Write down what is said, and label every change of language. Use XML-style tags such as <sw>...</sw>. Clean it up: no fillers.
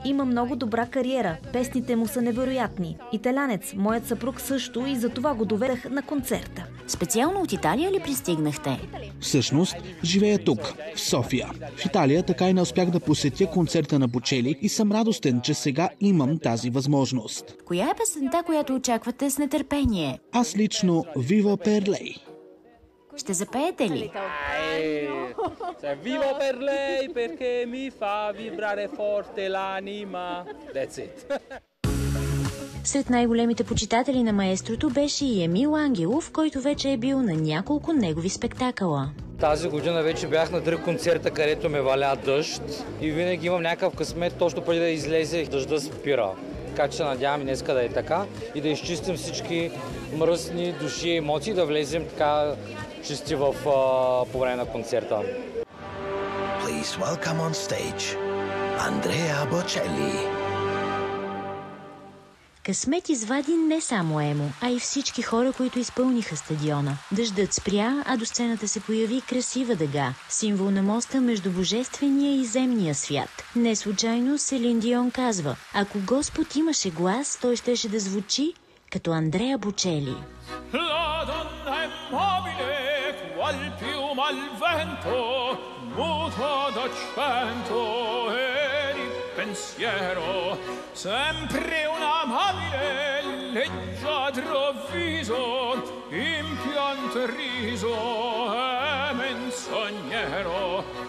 <bg>Има много добра кариера. Песните му са невероятни. Италянец, моят съпруг също, и затова го доведах на концерта. Специално от Италия ли пристигнахте? Всъщност, живея тук, в София. В Италия така и не успях да посетя концерта на Бочели и съм радостен, че сега имам тази възможност. Коя е песента, която очаквате с нетърпение? Аз лично Viva per lei. Ще запеете ли?</bg> <it>Vivo per lei perché mi fa vibrare forte l'anima.</it> <en>That's it.</en> <bg>Сред най-големите почитатели на маестрото беше и Емил Ангелов, който вече е бил на няколко негови спектакъла. Тази година вече бях на три концерта, където ме валя дъжд и винаги имам някакъв късмет, точно преди да излезе дъжда спира. Така че се надявам и днеска да е така и да изчистим всички мръсни души и емоции, да влезем така чисти в по време на концерта.</bg> <en>Please welcome on stage Andrea Bocelli.</en> <bg>Късмет извади не само Емо, а и всички хора, които изпълниха стадиона. Дъждът спря, а до сцената се появи красива дъга, символ на моста между божествения и земния свят. Не случайно Селин Дион казва: ако Господ имаше глас, той щеше да звучи като Андреа Бочели.</bg> <it>La donna è mobile, qual piuma al vento, muta d'accento e di pensiero. Sempre un amabile, leggiadro viso, impianto riso e menzognero.</it>